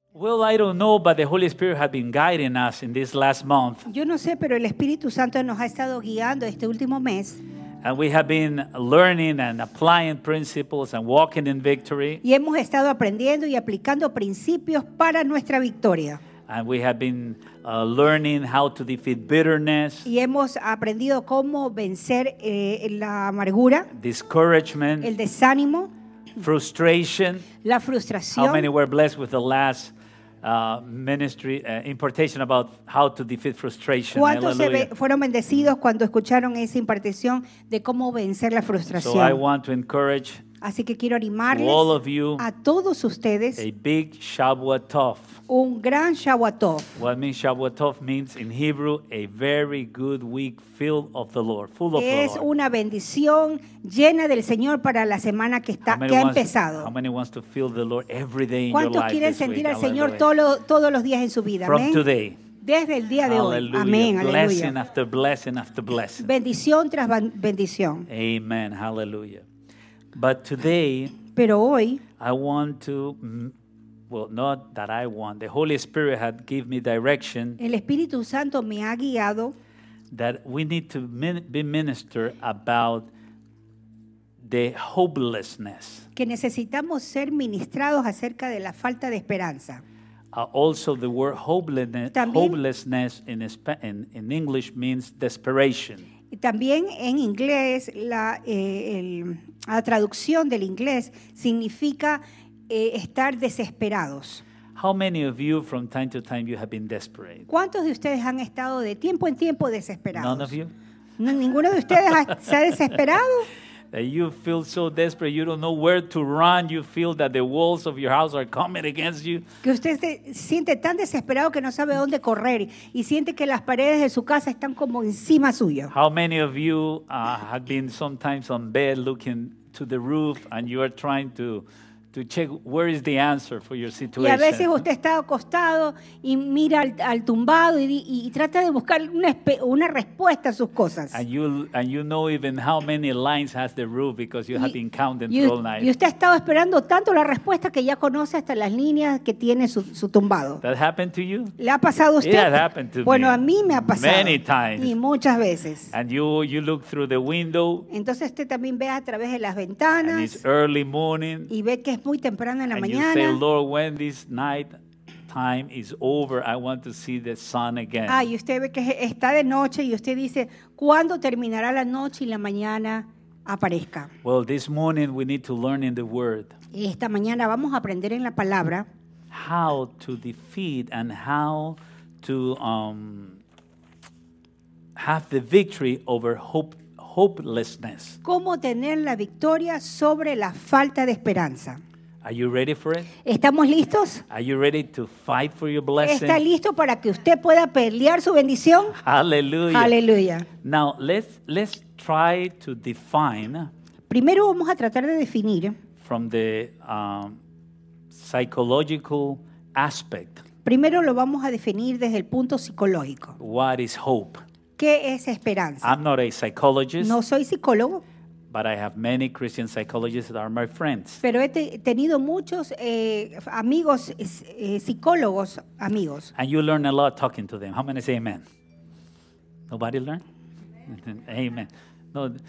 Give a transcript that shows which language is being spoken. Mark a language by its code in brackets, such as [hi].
[en] Well, I don't know, but the Holy Spirit has been guiding us in this last month. [es] Yo no sé, pero el Espíritu Santo nos ha estado guiando este último mes. [en] And we have been learning and applying principles and walking in victory. [es] Y hemos estado aprendiendo y aplicando principios para nuestra victoria. [en] And we have been learning how to defeat bitterness. [es] Y hemos aprendido cómo vencer la amargura. [en] Discouragement. [es] El desánimo. [en] Frustration. [es] La frustración. [en] How many were blessed with the last ministry impartation about how to defeat frustration? [es] ¿Cuántos fueron bendecidos cuando escucharon esa impartición de cómo vencer la frustración? [en] So I want to encourage. [es] Así que quiero animarles [en] to all of you, [es] a todos ustedes. [en] A big Shavuot Tov. [es] Un gran Shavuot Tov. [en] What means Shavuot Tov means in Hebrew a very good week filled of the Lord, full of [es] es [en] the Lord. [es] Es una bendición llena del Señor para la semana que está que ha empezado. [en] How many wants to feel the Lord every day in your [es] ¿Cuántos quieren [en] this [es] sentir [en] week? [es] Al Señor todos los días en su vida? [en] From today. [es] Desde el día de [en] Hallelujah. [es] Hoy. Amén. [en] Blessing Hallelujah. After blessing after blessing. [es] Bendición tras bendición. [en] Amen. Hallelujah. But today, [es] pero hoy, [en] I want to, well, not that I want, the Holy Spirit had given me direction. [es] El Espíritu Santo me ha guiado. [en] That we need to be minister about the hopelessness. [es] Que necesitamos ser ministrados acerca de la falta de esperanza. [en] Also, the word hopelessness, [es] también, [en] hopelessness in English means desperation. [es] También en inglés, la traducción del inglés significa estar desesperados. [en] How many of you from time to time you have been desperate? [es] ¿Cuántos de ustedes han estado de tiempo en tiempo desesperados? [en] None of you? [es] ¿Ninguno de ustedes se ha desesperado? [en] That you feel so desperate, you don't know where to run. You feel that the walls of your house are coming against you. [es] Que usted se siente tan desesperado que no sabe dónde correr y siente que las paredes de su casa están como encima suyo. [en] How many of you have been sometimes on bed looking to the roof and you are trying to check where is the answer for your situation? [es] Y a veces usted está acostado y mira al tumbado y trata de buscar una respuesta a sus cosas. [en] And you know even how many lines has the roof because you have been counting all night. [es] Y usted ha estado esperando tanto la respuesta que ya conoce hasta las líneas que tiene su tumbado. [en] That happened to you? [es] ¿Le ha pasado a usted? [en] It has happened to [es] bueno, [en] me. [es] A mí me ha pasado. [en] Many times. [es] Y muchas veces. [en] And you look through the window. [es] Entonces usted también ve a través de las ventanas. [en] And it's early morning. [es] Y ve que es muy temprano en la mañana. [en] And you say, Lord, when this night time is over, I want to see the sun again. [es] Y usted ve que está de noche y usted dice, ¿cuándo terminará la noche y la mañana aparezca? [en] Well, this morning we need to learn in the Word. [es] Esta mañana vamos a aprender en la palabra. [en] How to defeat and how to have the victory over hope. Hopelessness. [es] ¿Cómo tener la victoria sobre la falta de esperanza? [en] Are you ready for it? [es] ¿Estamos listos? [en] Are you ready to fight for your blessing? [es] ¿Está listo para que usted pueda pelear su bendición? [en] Hallelujah. Hallelujah. Now, let's try to define. [es] Primero vamos a tratar de definir [en] from the psychological aspect. [es] Primero lo vamos a definir desde el punto psicológico. [en] What is hope? [es] ¿Qué es esperanza? [en] I'm not a psychologist. [es] No soy psicólogo. [en] But I have many Christian psychologists that are my friends. [es] Pero he tenido muchos amigos psicólogos amigos. [en] And you learn a lot talking to them. How many say amen? Nobody learn? Amen. No.